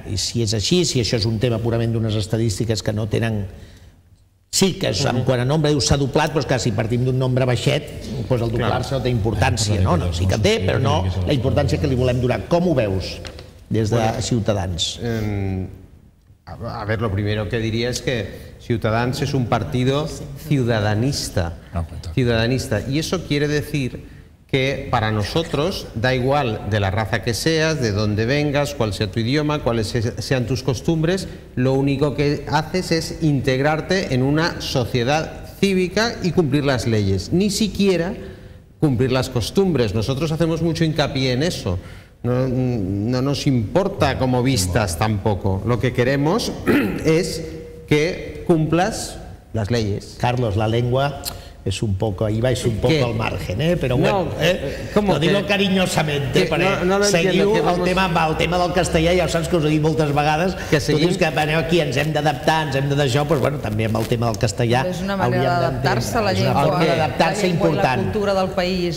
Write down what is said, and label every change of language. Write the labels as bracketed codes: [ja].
[ca] I si és així, si això és un tema purament d'unes estadístiques que no tenen... Sí, que en quant a nombre diu s'ha doblat, però és que si partim d'un nombre baixet, doncs el doblar-se no té importància, no? Sí que té, però no la importància que li volem donar. Com ho veus des de Ciutadans? [es] A ver, lo primero que diría es que Ciutadans es un partido ciudadanista. Ciudadanista. Y eso quiere decir que para nosotros da igual de la raza que seas, de dónde vengas, cuál sea tu idioma, cuáles sean tus costumbres, lo único que haces es integrarte en una sociedad cívica y cumplir las leyes, ni siquiera cumplir las costumbres. Nosotros hacemos mucho hincapié en eso, no nos importa cómo vistas tampoco, lo que queremos es que cumplas las leyes. Carlos, la lengua... Es un poco, ahí vais un poco ¿qué? Al margen, pero bueno, no, ¿cómo lo digo cariñosamente, [ca] seguiu el tema del castellà, ja ho saps que us he dit moltes vegades, que tu dius que aneu aquí, ens hem d'adaptar, ens hem de deixar, doncs bueno, també amb el tema del castellà. És una manera d'adaptar-se a la llengua, una manera d'adaptar-se important. La cultura del país.